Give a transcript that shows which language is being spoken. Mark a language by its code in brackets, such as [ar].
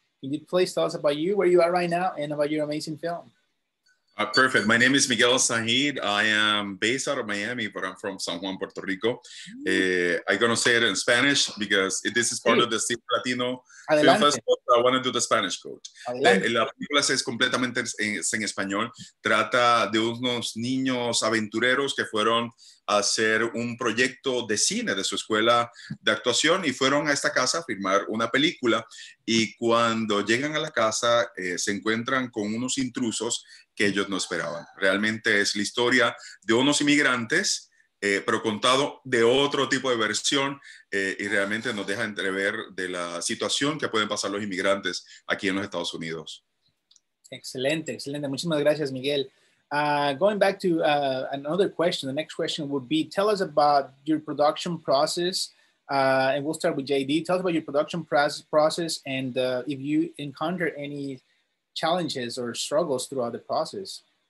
[en] Can you please tell us about you, where you are right now, and about your amazing film? Perfect. My name is Miguel Sahid. I am based out of Miami, but I'm from San Juan, Puerto Rico. I'm going to say it in Spanish because this is part of the Cine Latino Film Festival. I want to do the Spanish code. [es] La película es completamente en español. Trata de unos niños aventureros que fueron a hacer un proyecto de cine de su escuela de actuación y fueron a esta casa a filmar una película. Y cuando llegan a la casa, se encuentran con unos intrusos que ellos no esperaban. Realmente es la historia de unos inmigrantes, pero contado de otro tipo de versión, y realmente nos deja entrever de la situación que pueden pasar los inmigrantes aquí en los Estados Unidos. Excelente, excelente. Muchísimas gracias, Miguel. [en] Going back to another question, the next question would be, tell us about your production process, and we'll start with JD. Tell us about your production process, and if you encounter any challenges or struggles throughout the process.